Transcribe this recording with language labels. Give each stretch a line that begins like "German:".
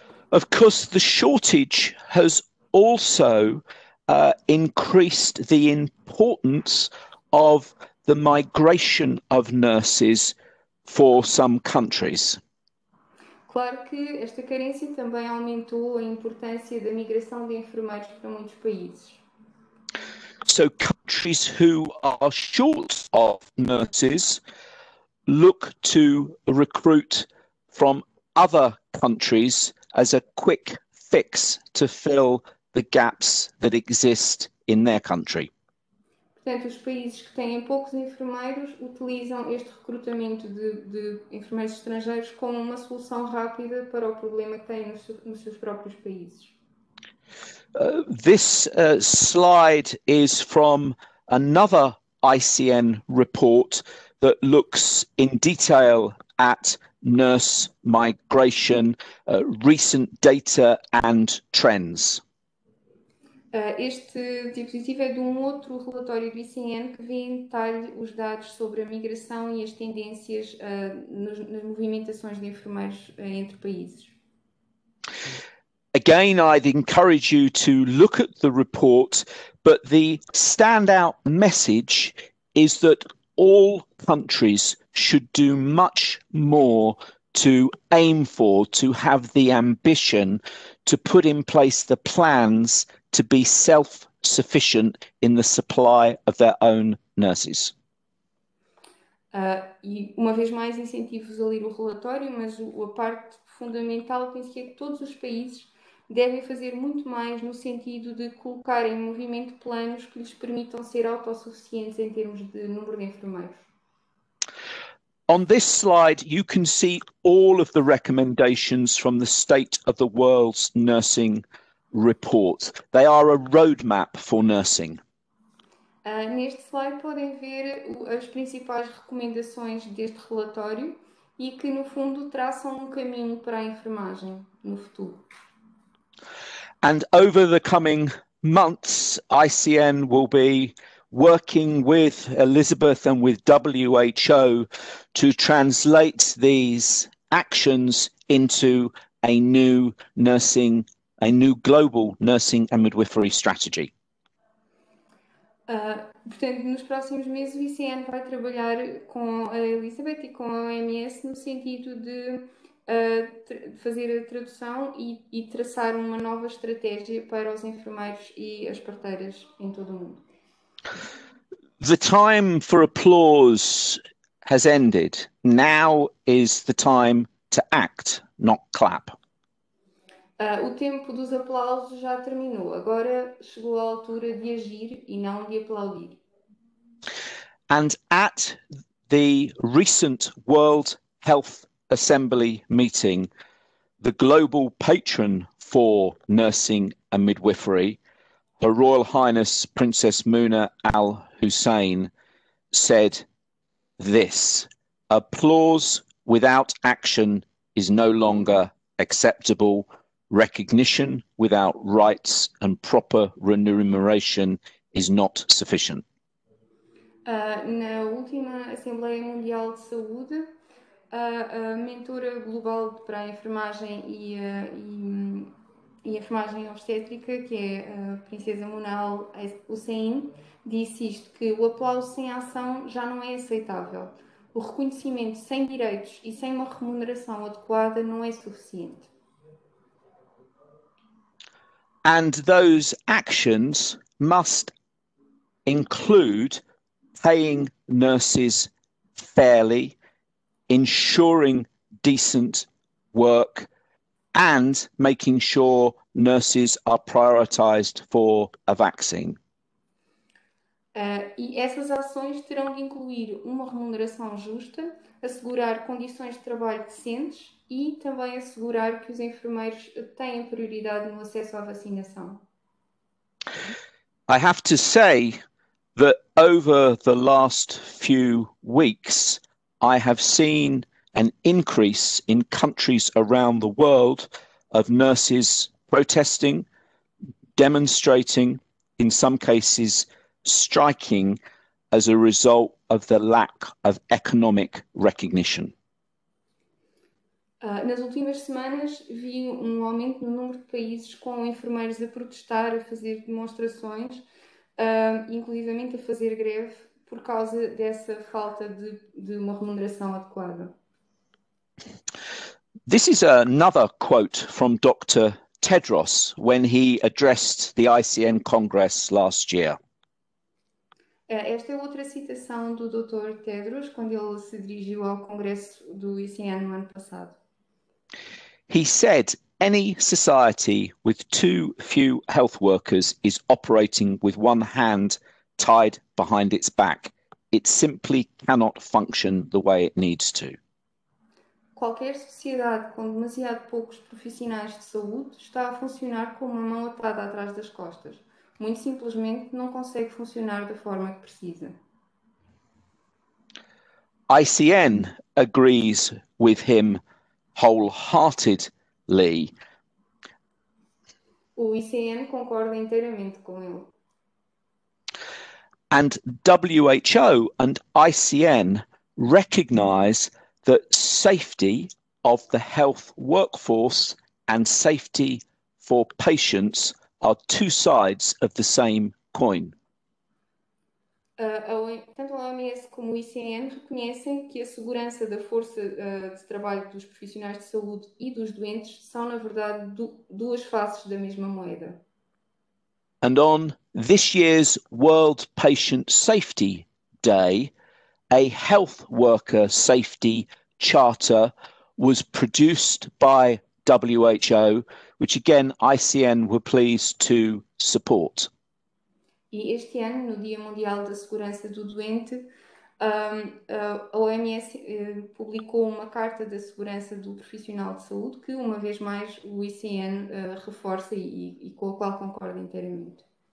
English: Of course, the shortage has also increased the importance of the migration of nurses for some countries.
Portuguese: Claro que esta carência também aumentou a importância da migração de enfermeiros para muitos países.
English: so countries who are short of nurses look to recruit from other countries as a quick fix to fill the gaps that exist in their country.
Portuguese: Portanto, os países que têm poucos enfermeiros utilizam este recrutamento de enfermeiros estrangeiros como uma solução rápida para o problema que têm nos seus próprios países.
English: This slide is from another ICN report that looks in detail at nurse migration, recent data and trends.
Portuguese: Este diapositivo é de um outro relatório do ICN que vê em detalhe os dados sobre a migração e as tendências nas movimentações de enfermeiros entre países.
English: Again, I'd encourage you to look at the report, but the standout message is that all countries should do much more to aim for, to have the ambition to put in place the plans to be self-sufficient in the supply of their own nurses.
Portuguese: E uma vez mais incentivo-vos a ler o relatório, mas a parte fundamental penso que é que todos os países devem fazer muito mais no sentido de colocar em movimento planos que lhes permitam ser autossuficientes em termos de número de enfermeiros.
English: On this slide, you can see all of the recommendations from the State of the World's Nursing Report. They are a roadmap for nursing.
Portuguese: Neste slide podem ver as principais recomendações deste relatório e que, no fundo, traçam um caminho para a enfermagem no futuro.
English: And over the coming months, ICN will be working with Elizabeth and with WHO to translate these actions into a new global nursing and midwifery strategy.
Portuguese: Portanto, nos próximos meses, o ICN vai trabalhar com a Elizabeth e com a OMS no sentido de fazer a tradução e traçar uma nova estratégia para os enfermeiros e as parteiras em todo o mundo.
English: The time for applause has ended. Now is the time to act, not clap.
Portuguese: O tempo dos aplausos já terminou. Agora chegou a altura de agir e não de aplaudir.
English: And at the recent World Health Assembly meeting, the global patron for nursing and midwifery, Her Royal Highness Princess Muna Al Hussein, said this: applause without action is no longer acceptable. Recognition without rights and proper remuneration is not sufficient.
Portuguese: Na última Assembleia Mundial de Saúde, a mentora global para a enfermagem e enfermagem obstétrica, que é a princesa Muna Al Hussein, disse isto, que o aplauso sem ação já não é aceitável. O reconhecimento sem direitos e sem uma remuneração adequada não é suficiente.
English: And those actions must include paying nurses fairly, ensuring decent work and making sure nurses are prioritized for a vaccine.
Portuguese: E essas ações terão de incluir uma remuneração justa, assegurar condições de trabalho decentes e também assegurar que os enfermeiros têm prioridade no acesso à vacinação.
English: I have to say that over the last few weeks, I have seen an increase in countries around the world of nurses protesting, demonstrating, in some cases striking, as a result of the lack of economic recognition.
Portuguese: Nas últimas semanas vi um aumento no número de países com enfermeiros a protestar, a fazer demonstrações, inclusivamente a fazer greve, por causa dessa falta de uma remuneração adequada.
English: This is another quote from Dr. Tedros when he addressed the ICN Congress last year.
Portuguese: Esta é outra citação do Dr. Tedros quando ele se dirigiu ao Congresso do ICN no ano passado.
English: He said, "Any society with too few health workers is operating with one hand tied behind its back. It simply cannot function the way it needs to."
Portuguese: Qualquer sociedade com demasiado poucos profissionais de saúde está a funcionar com uma mão atada atrás das costas. Muito simplesmente não consegue funcionar da forma que precisa.
English: ICN agrees with him wholeheartedly.
Portuguese: O ICN concorda inteiramente com ele.
English: And WHO and ICN recognize that safety of the health workforce and safety for patients are two sides of the same coin.
Portuguese: Tanto a OMS como o ICN reconhecem que a segurança da força de trabalho dos profissionais de saúde e dos doentes são, na verdade, duas faces da mesma moeda.
English: And on this year's World Patient Safety Day, a health worker safety charter was produced by WHO, which again ICN were pleased to support.
Portuguese: E este ano, no Dia Mundial da Segurança do Doente, a OMS publicou uma carta da segurança do profissional de saúde que, uma vez mais, o ICN reforça e com a qual concordo inteiramente.